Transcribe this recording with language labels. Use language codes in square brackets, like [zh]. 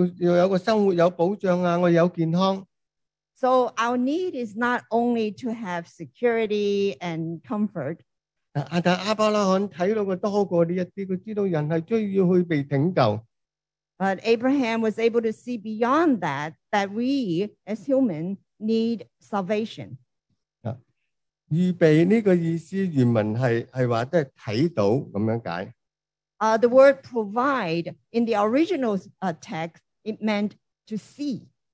[zh] 我们人的需要不单是要有个生活有保障，我有健康。 [en] So our need is not only to have security and comfort. [zh] 但亚伯拉罕看到的多过这些，他知道人是需要去被拯救。 [en] But Abraham was able to see beyond that, that we as human need salvation. [zh] 预备这个意思原文是说看到这样解。 [en] The word provide in the original text, it meant to see.